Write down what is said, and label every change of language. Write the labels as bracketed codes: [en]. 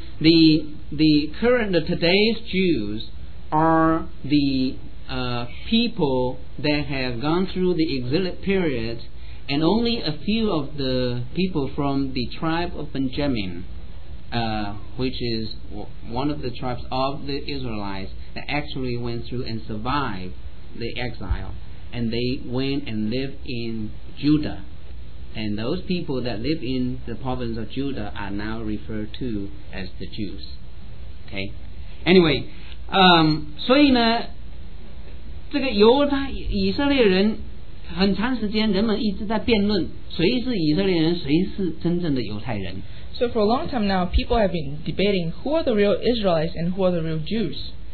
[en] Today's Jews are the people that have gone through the exilic period, and only a few of the people from the tribe of Benjamin, which is one of the tribes of the Israelites, that actually went through and survived the exile, and they went and lived in Judah. And those people that live in the province of Judah are now referred to as the Jews. Okay? Anyway, [zh] 所以呢, 这个犹太以色列人很长时间人们一直在辩论谁是以色列人谁是真正的犹太人。 [en] So for a long time now, people have been debating who are the real Israelites and who are the real Jews.